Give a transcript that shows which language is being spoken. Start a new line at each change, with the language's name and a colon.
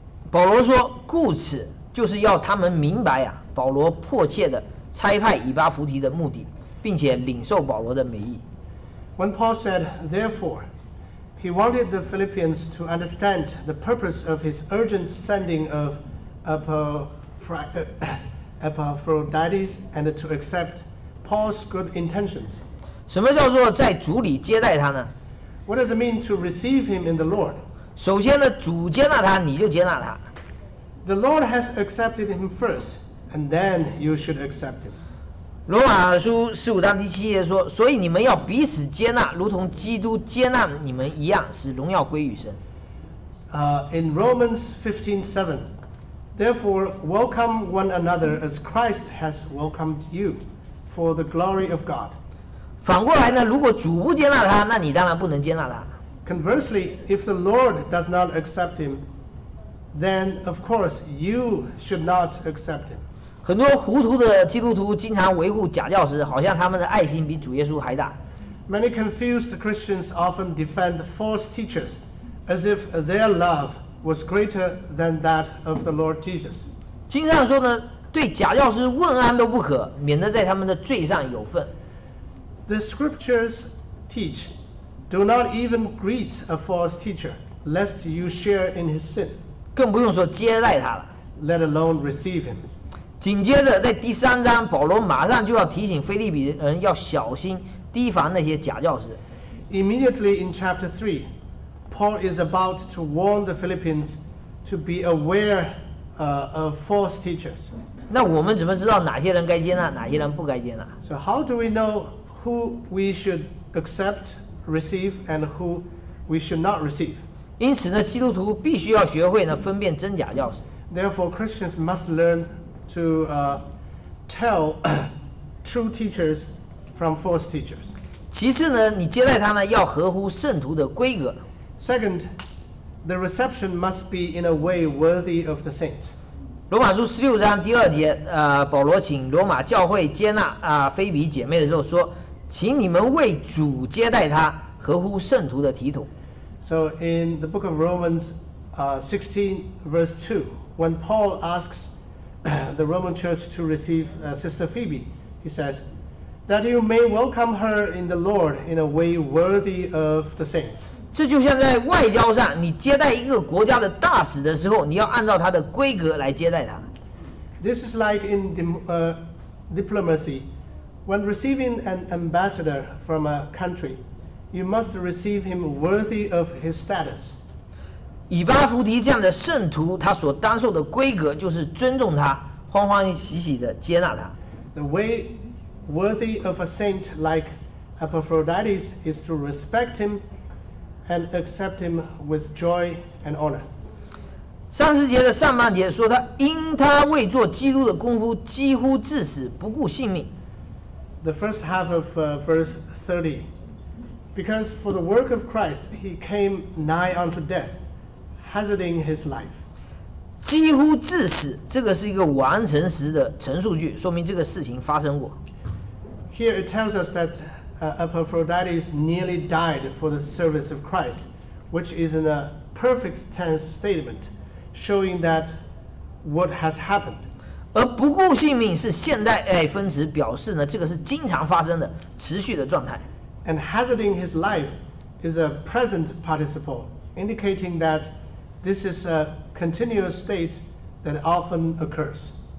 Chinese: 保罗说，故此就是要他们明白啊，保罗迫切的差派以巴弗提的目的，并且领受保罗的美意。
English: When Paul said, therefore,He wanted the Philippians to understand the purpose of his urgent sending of Epaphroditus and to accept Paul's good intentions.
Chinese: 什么叫做在主里接待他呢？
English: What does it mean to receive him in the Lord?
Chinese: 首先呢，主接纳他，你就接纳他。
English: The Lord has accepted him first, and then you should accept him.
Chinese: 罗马书十五章第七节说，所以你们要彼此接纳，如同基督接纳你们一样，使荣耀归于神。
English: In Romans 15:7, therefore welcome one another as Christ has welcomed you for the glory of God.
Chinese: 反过来呢，如果主不接纳他，那你当然不能接纳他。
English: Conversely, if the Lord does not accept him, then of course you should not accept him.
Chinese: 很多糊涂的基督徒经常维护假教师，好像他们的爱心比主耶稣还大。
English: Many confused Christians often defend false teachers as if their love was greater than that of the Lord Jesus.
Chinese: 经常说呢，对假教师问安都不可，免得在他们的罪上有份。
English: The scriptures teach, do not even greet a false teacher, lest you share in his sin.
Chinese: 更不用说接待他了。
English: Let alone receive him.
Chinese: 紧接着在第三章，保罗马上就要提醒腓立比人要小心提防那些假教师。
English: Immediately in chapter 3, Paul is about to warn the Philippians to be aware of false teachers.
Chinese: 那我们怎么知道哪些人该接纳，哪些人不该接纳？
English: So how do we know who we should accept, receive, and who we should not receive?
Chinese: 因此呢，基督徒必须要学会呢分辨真假教师。
English: Therefore, Christians must learn to tell true teachers from false teachers.
Chinese: 其次呢，你接待他呢，要合乎圣徒的规格。
English: Second, the reception must be in a way worthy of the saints.
Chinese: 罗马书十六章第二节，保罗请罗马教会接纳腓比姐妹的时候说，请你们为主接待她，合乎圣徒的体统。
English: So in the book of Romans, 16:2, when Paul asks the Roman church to receive Sister Phoebe, he says that you may welcome her in the Lord in a way worthy of the saints.
Chinese: 这就像在外交上，你接待一个国家的大使的时候，你要按照他的规格来接待他。
English: This is like in diplomacy, when receiving an ambassador from a country, you must receive him worthy of his status.
Chinese: 以巴弗提这样的圣徒，他所当受的规格就是尊重他，欢欢喜喜地接纳他。
English: The way worthy of a saint like Epaphroditus is to respect him and accept him with joy and honor.
Chinese: 三十节的上半节说他因他为做基督的功夫几乎致死，不顾性命。
English: The first half of verse 30, because for the work of Christ he came nigh unto death. Hazarding his life.
Chinese: 几乎致死，这个是一个完成时的陈述句，说明这个事情发生过。
English: Here it tells us that Epaphroditus nearly died for the service of Christ, which is in a perfect tense statement, showing that what has happened.
Chinese: 而不顾性命是现代分词，表示呢这个是经常发生的持续的状态。
English: And hazarding his life is a present participle, indicating that. This is a continuous state that often occurs.